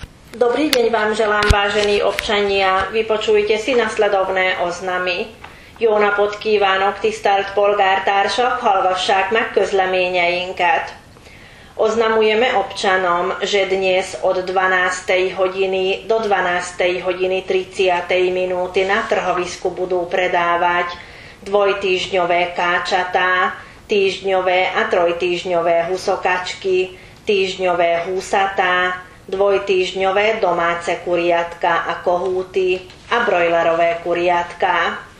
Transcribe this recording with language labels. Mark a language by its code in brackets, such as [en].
[sk] Dobrý deň vám želám, vážení občania. Vypočujte si nasledovné oznamy. [hu] Jó napot kívánok, tisztelt polgártársak, hallgassák meg közleményeinket. [sk] Oznamujeme občanom, že dnes od 12. hodiny do 12. hodiny 30. minúty na trhovisku budú predávať dvojtýždňové káčatá, týždňové a trojtýždňové husokačky, týždňové húsatá, dvojtýždňové domáce kuriatka a kohúty a brojlerové kuriatka.